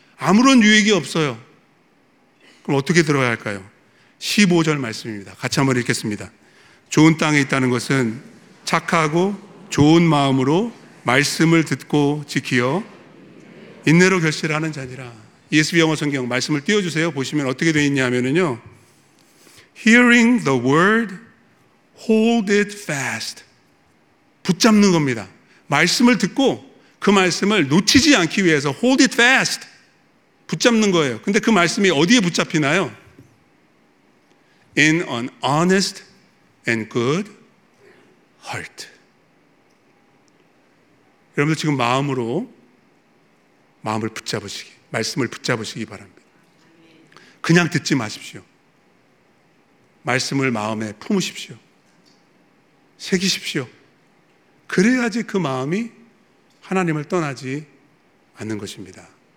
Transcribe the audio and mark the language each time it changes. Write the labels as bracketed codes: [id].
[ko] 아무런 유익이 없어요. 그럼 어떻게 들어야 할까요? 15절 말씀입니다. 같이 한번 읽겠습니다. 좋은 땅에 있다는 것은 착하고 좋은 마음으로 말씀을 듣고 지키어 인내로 결실하는 자니라. ESV 영어 성경 말씀을 띄워주세요. 보시면 어떻게 되어 있냐면요, [en] Hearing the word, hold it fast. [ko] 붙잡는 겁니다. 말씀을 듣고 그 말씀을 놓치지 않기 위해서 [en] hold it fast, [ko] 붙잡는 거예요. 근데 그 말씀이 어디에 붙잡히나요? [en] In an honest and good heart. [ko] 여러분들 지금 마음으로 마음을 붙잡으시기, 말씀을 붙잡으시기 바랍니다. 그냥 듣지 마십시오. 말씀을 마음에 품으십시오. 새기십시오. 그래야지 그 마음이 하나님을 떠나지 않는 것입니다.